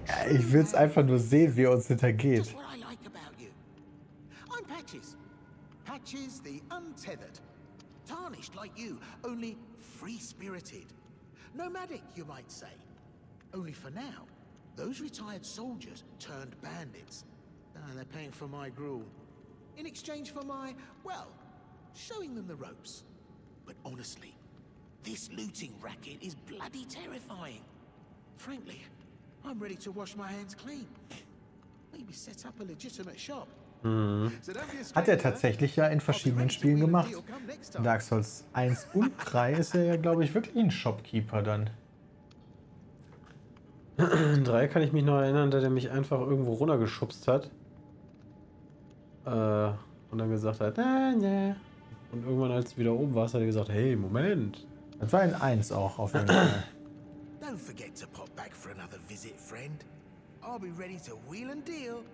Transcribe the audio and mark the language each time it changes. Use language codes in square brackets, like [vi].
[de] Ich will's einfach nur sehen, wie er uns hintergeht. [en] Just what I like about you. I'm Patches. Patches the untethered, tarnished like you, only free-spirited, nomadic, you might say. Only for now, those retired soldiers turned bandits, and they're paying for my gruel, in exchange for my, well, showing them the ropes. But honestly, this looting racket is bloody terrifying. Frankly, I'm ready to wash my hands clean, maybe set up a legitimate shop. [de] Hat er tatsächlich ja in verschiedenen Spielen gemacht. In Dark Souls 1 und 3 ist er ja, glaube ich, wirklich ein Shopkeeper dann. In 3 kann ich mich noch erinnern, da der mich einfach irgendwo runtergeschubst hat. Und dann gesagt hat, Und irgendwann, als du wieder oben warst, hat er gesagt, hey, Moment. Das war in 1 auch, auf jeden Fall. [en] Don't forget to pop back for another visit, friend. I'll be ready to wheel and deal.